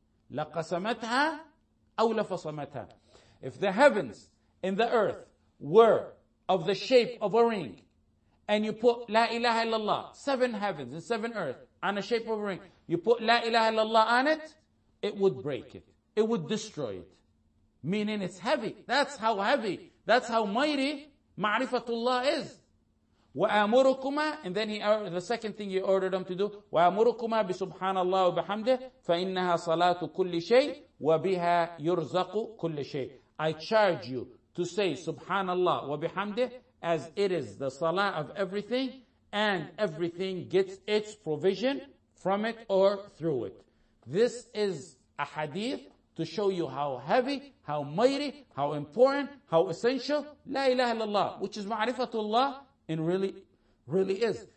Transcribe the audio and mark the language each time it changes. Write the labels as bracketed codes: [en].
[ar] لَقَسَمَتْهَا أَوْ لَفَصَمَتْهَا [en] If the heavens and the earth were of the shape of a ring, and you put La ilaha illallah, seven heavens and seven earth, on a shape of a ring, you put La ilaha illallah on it, it would break it. It would destroy it. Meaning it's heavy. That's how heavy, that's how mighty ma'rifatullah is. [ar] وَأَمُرُكُمَا, [en] and then the second thing he ordered them to do, [ar] وَأَمُرُكُمَا بِسُبْحَانَ اللَّهُ وَبِحَمْدِهِ فَإِنَّهَا صَلَاتُ كُلِّ شَيْءٍ وَبِهَا يُرْزَقُ كُلِّ شَيْءٍ. [en] I charge you to say Subhanallah wa bihamdih, as it is the salah of everything, and everything gets its provision from it or through it. This is a hadith to show you how heavy, how mighty, how important, how essential La ilaha illallah, which is ma'rifatullah, and really, really is.